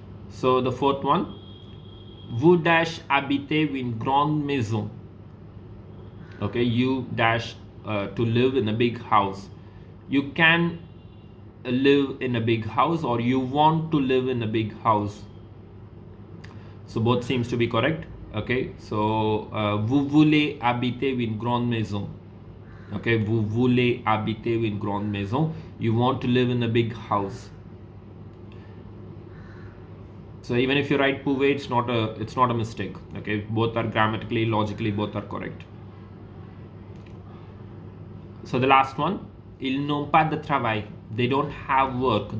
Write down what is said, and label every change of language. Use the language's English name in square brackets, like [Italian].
[English] So the fourth one, [French] vous dash habiter une grande maison. [English] Okay, you dash to live in a big house. You can live in a big house or you want to live in a big house. So both seems to be correct. Okay, so [French] vous voulez habiter une grande maison. [English] Okay, [French] vous voulez habiter une grande maison. [English] You want to live in a big house. So even if you write pouvez, it's not a mistake. Okay, both are grammatically, logically, both are correct. So the last one, [French] ils n'ont pas de travail. [English] They don't have work.